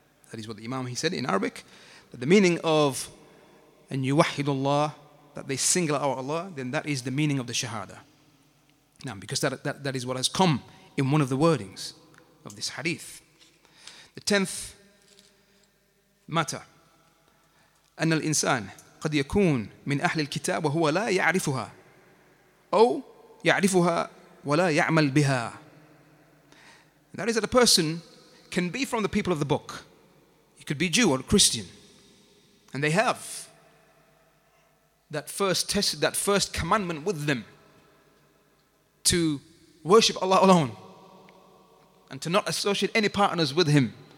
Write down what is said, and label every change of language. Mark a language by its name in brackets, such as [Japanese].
[English] That is what the Imam, he said in Arabic, that the meaning of an yuwahhidu Allah, that they single out Allah, then that is the meaning of the shahada. Now, because that is what has come in one of the wordings of this hadith. The tenth matter. [Arabic] Anna al-insan قد يكون من أهل الكتاب وهو لا يعرفها أو يعرفها ولا يعمل بها. [English] That is that a person can be from the people of the book. He could be Jew or Christian, and they have that first commandment with them to worship Allah alone and to not associate any partners with Him.